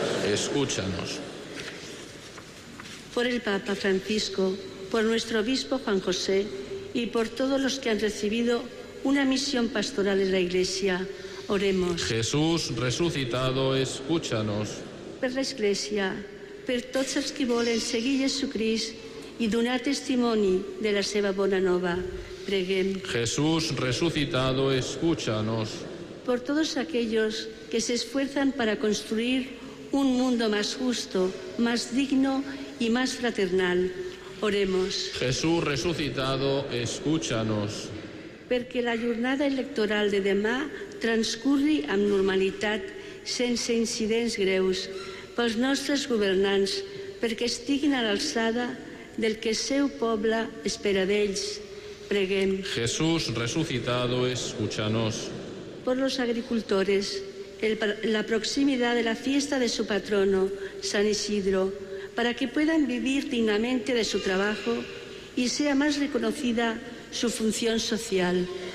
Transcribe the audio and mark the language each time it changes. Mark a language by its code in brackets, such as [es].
[es] Escúchanos. Por el Papa Francisco, por nuestro obispo Juan José y por todos los que han recibido una misión pastoral en la Iglesia, oremos. Jesús resucitado, escúchanos. [ca] Per la Iglesia, per tots els que volen seguir Jesucrist i donar testimoni de la seva bona nova, preguem. [es] Jesús resucitado, escúchanos. Por todos aquellos que se esfuerzan para construir un mundo más justo, más digno y más fraternal, oremos. Jesús resucitado, escúchanos. [ca] Perquè la jornada electoral de demà transcurri amb normalitat, sense incidents greus, pels nostres governants, perquè estiguin a l'alçada del que el seu poble espera d'ells, preguem. [es] Jesús resucitado, escúchanos. Por los agricultores, la proximidad de la fiesta de su patrono, San Isidro, para que puedan vivir dignamente de su trabajo y sea más reconocida su función social.